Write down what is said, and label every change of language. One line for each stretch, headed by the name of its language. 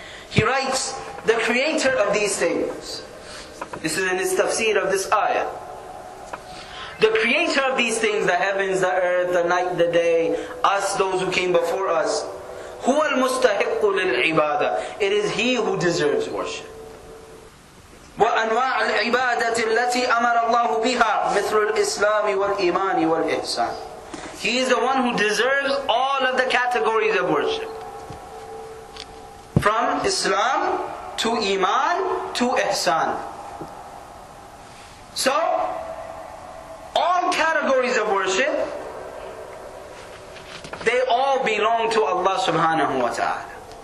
English: He writes, the creator of these things, this is in his tafsir of this ayah, the creator of these things, the heavens, the earth, the night, the day, us, those who came before us,
Arabic: huwa al-mustahiqu lil-ibadah,
English: it is he who deserves worship.
Arabic: وأنواع العبادة التي أمر الله بها مثل الإسلام والإيمان والإحسان.
English: He is the one who deserves all of the categories of worship. From Islam to Iman to Ihsan. So, all categories of worship, they all belong to Allah subhanahu wa ta'ala.